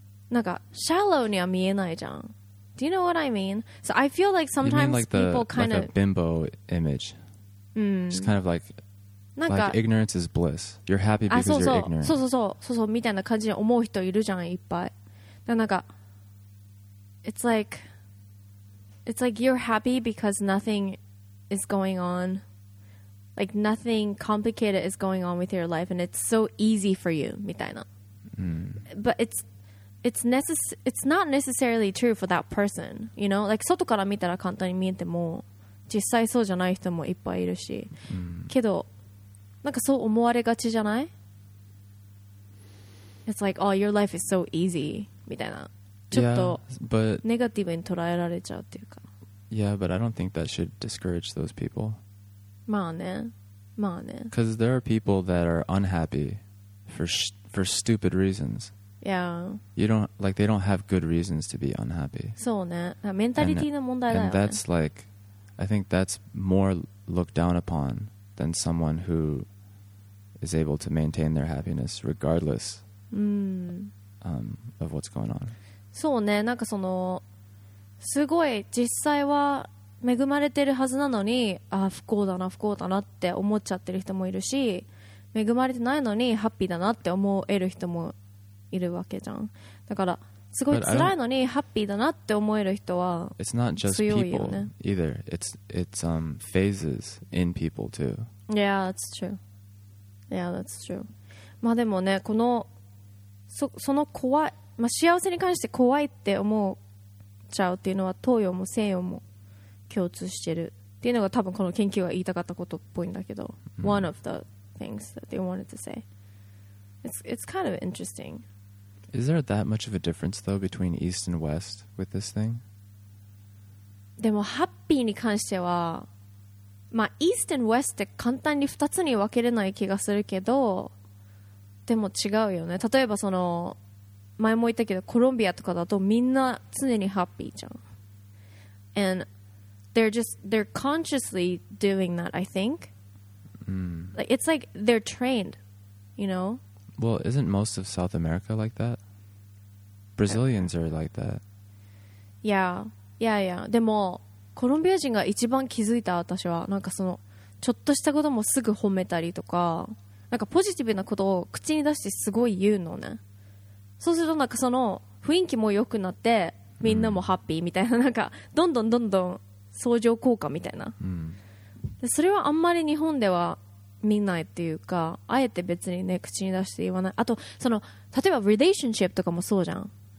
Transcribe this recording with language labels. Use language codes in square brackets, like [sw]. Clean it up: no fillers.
[ja] なんかシャーローには見えないじゃん。 [en] Do you know what I mean? So I feel like sometimes like the, people kind of like a bimbo image、just kind of like [ja] なんか [en] like ignorance is bliss. You're happy because [ja] そうそう [en] you're ignorant. [ja] そうそうそうそうそうみたいな感じで思う人いるじゃんいっぱい。だなんか [en] It's like you're happy because nothing is going onLike nothing complicated is going on with your life and it's so easy for you, [ja] みたいな。 [en] But it's not necessarily true for that person, you know? [ja] Like 外から見たら簡単に見えても実際そうじゃない人もいっぱいいるし。けど、なんかそう思われがちじゃない? [en] It's like, oh, your life is so easy, [ja] みたいな。ちょっと [en] yeah, but [ja] ネガティブに捉えられちゃうっていうか。 [en] Yeah, but I don't think that should discourage those people. [ja] まあね、まあね。 [en] Because there are people that are unhappy for stupid reasons. Yeah. You don't like they don't have good reasons to be unhappy. [ja] そうね。メンタリティの問題だよね。 [en] And that's like, I think that's more looked down upon than someone who is able to maintain their happiness regardless of what's going on. [ja] そうね。なんかそのすごい実際は。恵まれてるはずなのにああ不幸だな不幸だなって思っちゃってる人もいるし恵まれてないのにハッピーだなって思える人もいるわけじゃん。だからすごい辛いのにハッピーだなって思える人は強いよね。 [en] It's not just people either. It's phases in people too. Yeah, that's true. Yeah, that's true. [ja] まあでもねこの その怖い、まあ、幸せに関して怖いって思っちゃうっていうのは東洋も西洋も共通してるっていうのが多分この研究が言いたかったことっぽいんだけど、 [en] One of the things that they wanted to say. It's kind of interesting. Is there that much of a difference though between East and West with this thing? [ja] でもハッピーに関しては、まあ East and West って簡単に2つに分けれない気がするけど、でも違うよね。例えばその前も言ったけどコロンビアとかだとみんな常にハッピーじゃん。 [en] AndThey're consciously doing that, I think. Like, it's like they're trained, you know? Well, isn't most of South America like that? Brazilians are like that. Yeah, yeah, yeah. [ja] でも、コロンビア人が一番気づいた私は、なんかその、ちょっとしたこともすぐ褒めたりとか、なんかポジティブなことを口に出してすごい言うのね。そうするとなんかその雰囲気も良くなって、みんなもハッピーみたいな、なんかどんどんどんどん相乗効果みたいな、それはあんまり日本では見ないっていうかあえて別にね口に出して言わない。あとその例えばリレーションシップとかもそうじゃん。